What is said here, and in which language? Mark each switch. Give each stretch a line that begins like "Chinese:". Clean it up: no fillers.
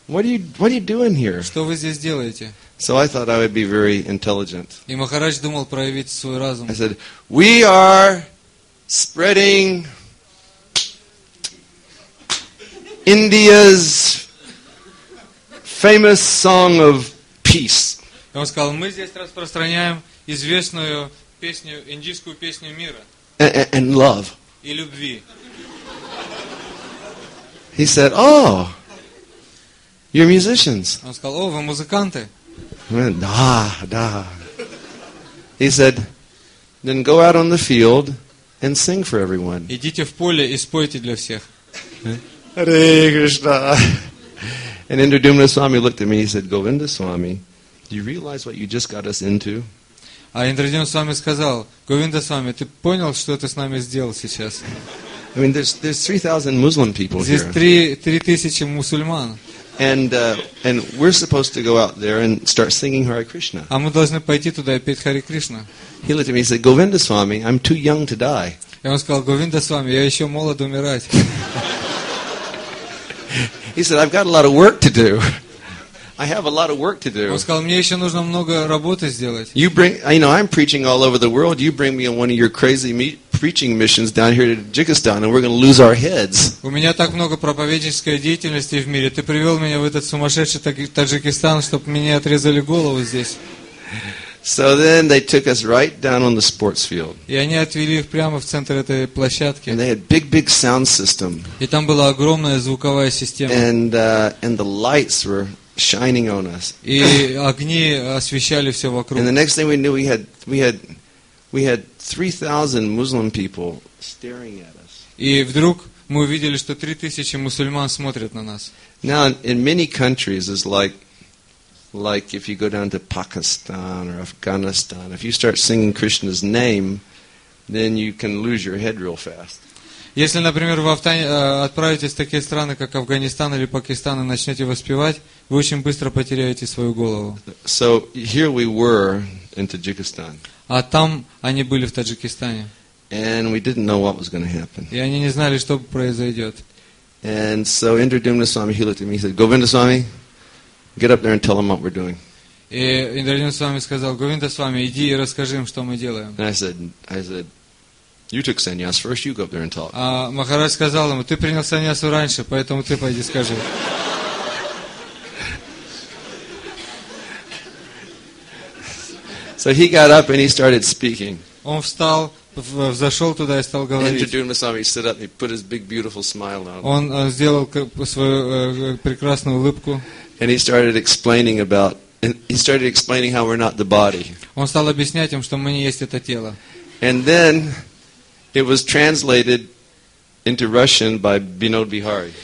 English: What are you doing here?
Russian: Что вы здесь делаете?
English: So I thought I would be very intelligent.
Russian: И Махарадж думал проявить свой разум.
English: I said, we are spreading India's famous song of peace.
Russian: Он сказал, мы здесь распространяем известную песню, индийскую песню мира.
English: And love.
Russian: И любви.
English: He said, oh, you're musicians.
Russian: Он сказал, о, вы музыканты. Да.
English: He said, then go out on the field and sing for everyone.
Russian: Идите в поле и спойте для всех.
English: Hare Krishna. And Indradyumna Swami looked at me, he said, Govinda Swami, do you realize what you just got us into?
Russian: А Индрадина с вами сказал, Говинда с вами, ты понял, что ты с нами сделал сейчас?
English: I mean, there's 3,000 Muslim people here.
Russian: Здесь 3,000 мусульман.
English: And we're supposed to go out there and start singing Hare Krishna.
Russian: А мы должны пойти туда и петь Хари Кришна.
English: He looked at me and said, Govinda Swami, I'm too young to die.
Russian: И он сказал, Говинда с вами, я еще молод умирать.
English: He said, I've got a lot of work to do. I have a lot of work to do.
Russian: Он сказал, мне еще нужно много работы сделать.
English: You bring, you know, I'm preaching all over the world. You bring me on one of your crazy preaching missions down here to Tajikistan, and we're going to lose our heads.
Russian: У меня так много проповеднической деятельности в мире. Ты привел меня в этот сумасшедший Таджикистан, чтобы мне отрезали голову здесь.
English: So then they took us right down on the sports field.
Russian: И они отвели их прямо в центр этой площадки.
English: And they had big sound system.
Russian: И там была огромная звуковая система.
English: And the lights were shining on us.
Russian: И огни освещали все вокруг.
English: And the next thing we knew, we had 3,000 Muslim people staring at us.
Russian: И вдруг мы увидели, что 3,000 мусульман смотрят на нас.
English: Now, in many countries, it's like if you go down to Pakistan or Afghanistan, if you start singing Krishna's name, then you can lose your head real fast.
Russian: Если, например, вы отправитесь в такие страны, как Афганистан или Пакистан, и начнете воспевать, вы очень быстро потеряете свою голову.
English: So here we were in Tajikistan.
Russian: А там они были в Таджикистане.
English: And we didn't know what was going to happen.
Russian: И они не знали, что произойдет.
English: And so Indra Dumna Swami, he looked at me, he said, Govinda Swami, get up there and tell them what we're doing.
Russian: И Индрадин Свами сказал, Говинда Свами, иди и расскажи им, что мы делаем.
English: I said, you took sannyas first, you go up there and talk.
Russian: А Махарадж сказал ему, ты принял саньясу раньше, поэтому ты пойди скажи.
English: So he got up and he started speaking.
Russian: Он встал, взошел туда и стал говорить.
English: Индрадин Свами stood up and he put his big beautiful smile on.
Russian: Он сделал свою прекрасную улыбку.
English: And he started explaining about He started explaining how we're not the body.
Russian: Он стал объяснять им, что мы не есть это тело.
English: And then it was translated into Russian by Vinod Bihari.